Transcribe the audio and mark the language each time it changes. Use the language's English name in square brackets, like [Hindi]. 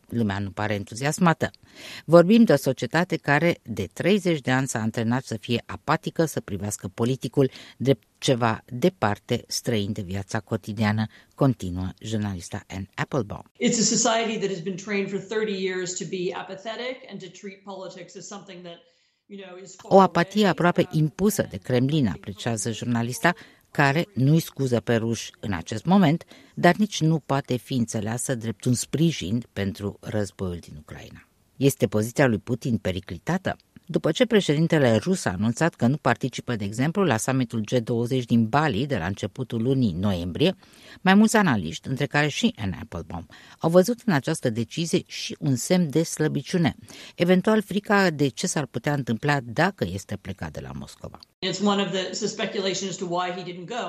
[Romanian] Lumea nu pare entuziasmată. Vorbim de o societate care de 30 de ani s-a antrenat să fie apatică, să privească politicul drept ceva departe, străin de viața cotidiană, continuă jurnalista Anne Applebaum. [English] It's a society that has been trained for 30 years to be apathetic and to treat politics as something that. [Romanian] O apatie aproape impusă de Kremlin, apreciază jurnalista, care nu-i scuză pe ruși în acest moment, dar nici nu poate fi înțeleasă drept un sprijin pentru războiul din Ucraina. Este poziția lui Putin periclitată? După ce președintele rus a anunțat că nu participă, de exemplu, la summitul G20 din Bali de la începutul lunii noiembrie, mai mulți analiști, între care și Anne Applebaum, au văzut în această decizie și un semn de slăbiciune, eventual frica de ce s-ar putea întâmpla dacă este plecat de la Moscova. [English] It's one of the speculations as to why he didn't go.